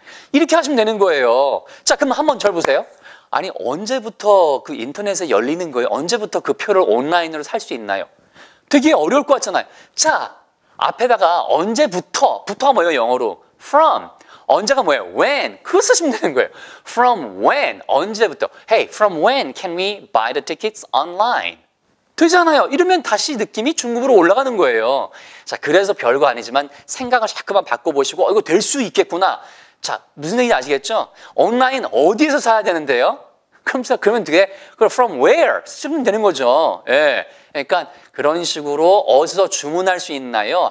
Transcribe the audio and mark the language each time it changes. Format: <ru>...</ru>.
<ko>이렇게 하시면 되는 거예요. 자, 그럼 한번 절 보세요. 아니, 언제부터 그 인터넷에 열리는 거예요? 언제부터 그 표를 온라인으로 살 수 있나요? 되게 어려울 것 같잖아요. 자, 앞에다가 언제부터, 부터가 뭐예요, 영어로? From. 언제가 뭐예요? When. 그거 쓰시면 되는 거예요.</ko> <en>From when.</en> <ko>언제부터.</ko> <en>Hey, from when can we buy the tickets online?</en> <ko>되잖아요. 이러면 다시 느낌이 중급으로 올라가는 거예요. 자, 그래서 별거 아니지만 생각을 자꾸만 바꿔보시고 이거 될 수 있겠구나. 자, 무슨 얘기인지 아시겠죠? 온라인 어디에서 사야 되는데요? 그러면 되게 그걸</ko> <en>from where</en> <ko>쓰면 되는 거죠. 예, 그러니까 그런 식으로 어디서 주문할 수 있나요?</ko>